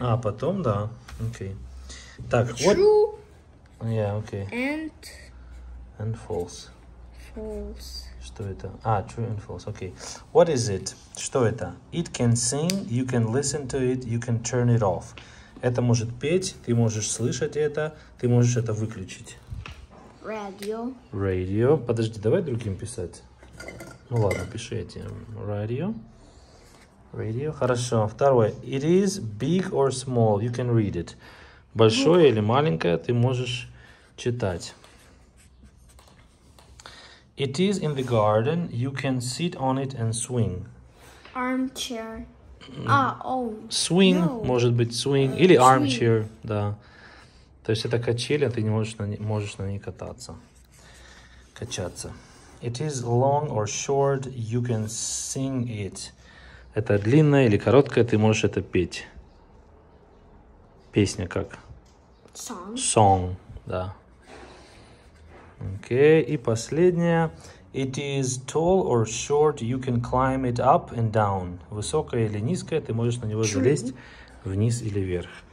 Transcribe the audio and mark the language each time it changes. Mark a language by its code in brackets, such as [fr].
[ru] А, потом, да. Okay. Так, [en] true. What... Yeah, okay. And false. False. [ru] Что это? А, [en] true and false. Okay. What is it? [ru] Что это? [en] It can sing, you can listen to it, you can turn it off. [ru] Это может петь, ты можешь слышать это, ты можешь это выключить. [en] Radio. Radio. [ru] Подожди, давай другим писать. Ну ладно, пиши этим. Radio. Radio. Хорошо. Второе. [en] It is big or small. You can read it. [ru] Большое [en] book. [ru] Или маленькое, ты можешь читать. [en] It is in the garden. You can sit on it and swing. Armchair. Mm. Ah, oh. Swing, no. [ru] Может быть, [en] swing. [ru] Или [en] swing. Armchair, [ru] да. То есть это качели, ты не можешь на ней кататься. Качаться. [en] It is long or short. You can sing it. [ru] Это длинное или короткое, ты можешь это петь. Песня как? [en] Song. [ru] Song, да. Окей, и последнее. [en] It is tall or short, you can climb it up and down. [ru] Высокое или низкое, ты можешь на него залезть вниз или вверх.